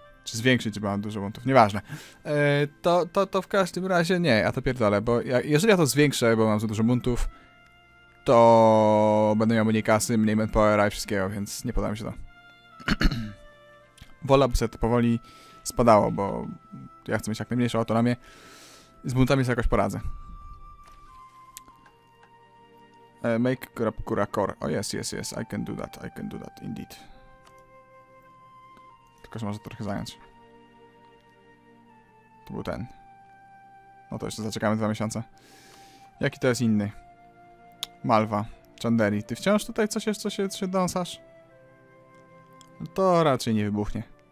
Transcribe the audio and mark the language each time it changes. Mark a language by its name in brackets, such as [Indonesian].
[Polish] Czy zwiększyć, bo mam dużo buntów, nieważne. To w każdym razie nie, a to pierdolę, bo jeżeli ja to zwiększę, bo mam za dużo buntów, to będę miał mniej kasy, mniej manpowera i wszystkiego, więc nie podoba mi się to. Wola, by sobie to powoli spadało, bo ja chcę mieć jak najmniejszą autonomię. Z buntami sobie jakoś poradzę. [English] Make Kurakura core. Oh yes, yes, yes, I can do that, indeed. [Polish] Ktoś może to trochę zająć. To był ten. No to jeszcze zaczekamy 2 miesiące. Jaki to jest inny? Malwa. Chanderi. Ty wciąż tutaj coś się dąsasz? No to raczej nie wybuchnie.